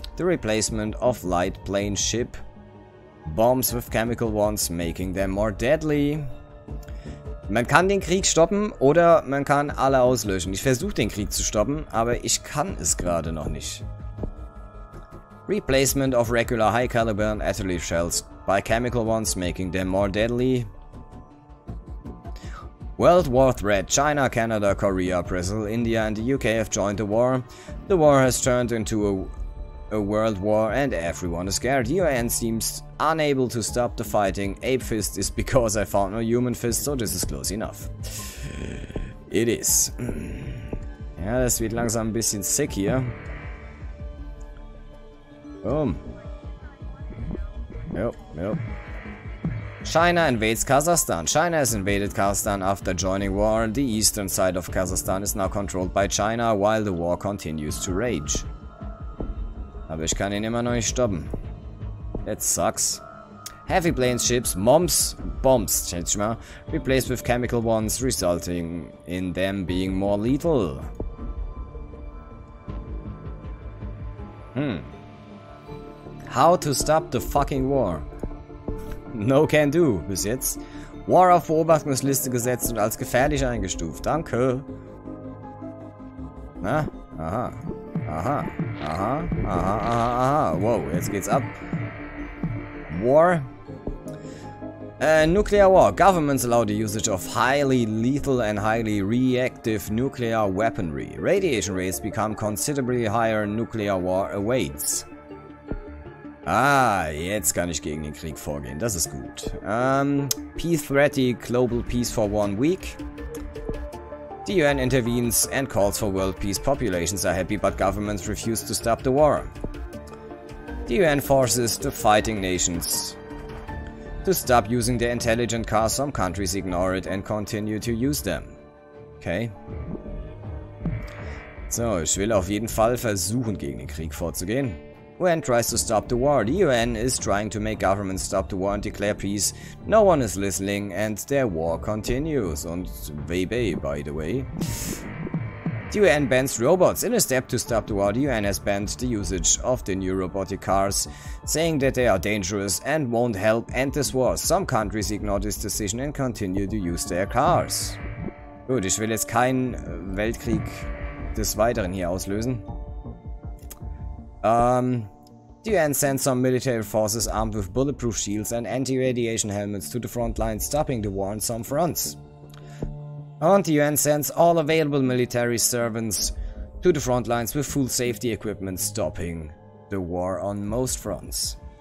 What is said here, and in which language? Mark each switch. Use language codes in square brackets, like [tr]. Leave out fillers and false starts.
[en] The replacement of light plane ship bombs with chemical ones, making them more deadly. [de] Man kann den Krieg stoppen oder man kann alle auslöschen. Ich versuche den Krieg zu stoppen, aber ich kann es gerade noch nicht. [en] Replacement of regular high caliber and artillery shells by chemical ones, making them more deadly. World War threat. China, Canada, Korea, Brazil, India and the UK have joined the war. The war has turned into a world war and everyone is scared. UN seems unable to stop the fighting. Ape fist is because I found no human fist, so this is close enough. It is. [de] Ja, das wird langsam ein bisschen sick hier. [en] Boom. Yep. China invades Kazakhstan. China has invaded Kazakhstan after joining war. The eastern side of Kazakhstan is now controlled by China while the war continues to rage. [de] Aber ich kann ihn immer noch nicht stoppen. [en] That sucks. Heavy plane ships, bombs, [de] schätze ich mal, [en] replaced with chemical ones, resulting in them being more lethal. How to stop the fucking war? No can do, [de] bis jetzt. War auf Beobachtungsliste gesetzt und als gefährlich eingestuft. Danke. Na? Aha. Aha. Aha. Aha. [en] Aha. Aha. Wow, [de] jetzt geht's ab. [en] War. Nuclear war. Governments allow the usage of highly lethal and highly reactive nuclear weaponry. Radiation rates become considerably higher. Nuclear war awaits. [de] Ah, jetzt kann ich gegen den Krieg vorgehen. Das ist gut. [en] Peace ready, global peace for 1 week. The UN intervenes and calls for world peace. Populations are happy, but governments refuse to stop the war. The UN forces the fighting nations to stop using their intelligent cars. Some countries ignore it and continue to use them. Okay. [de] So, ich will auf jeden Fall versuchen, gegen den Krieg vorzugehen. [en] UN tries to stop the war. The UN is trying to make governments stop the war and declare peace. No one is listening and their war continues. Und Webe, by the way. The UN bans robots. In a step to stop the war, the UN has banned the usage of the new robotic cars, saying that they are dangerous and won't help end this war. Some countries ignore this decision and continue to use their cars. [de] Gut, ich will jetzt keinen Weltkrieg des Weiteren hier auslösen. [en] The UN sends some military forces armed with bulletproof shields and anti-radiation helmets to the front line, stopping the war on some fronts. And the UN sends all available military servants to the front lines with full safety equipment, stopping the war on most fronts.